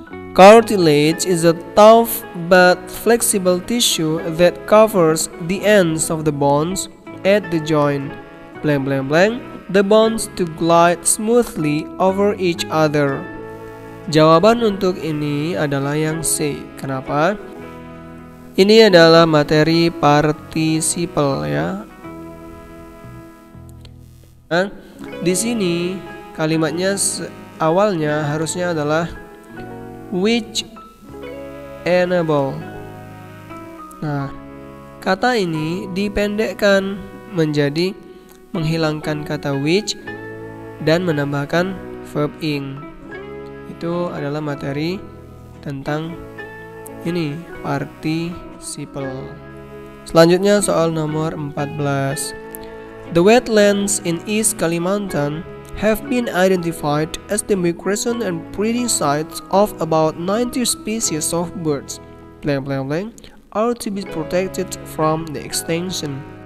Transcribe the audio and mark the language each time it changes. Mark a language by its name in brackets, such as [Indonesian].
[Indonesian] Cartilage is a tough but flexible tissue that covers the ends of the bones at the joint. Blank blank blank. The bones to glide smoothly over each other. Jawaban untuk ini adalah yang C. Kenapa? Ini adalah materi participle ya. Nah, di sini kalimatnya awalnya harusnya adalah which enable. Nah, kata ini dipendekkan menjadi menghilangkan kata which dan menambahkan verb ing. Itu adalah materi tentang ini, participle. Selanjutnya soal nomor 14. [English] The wetlands in East Kalimantan have been identified as the migration and breeding sites of about 90 species of birds blank blank blank are to be protected from the extinction.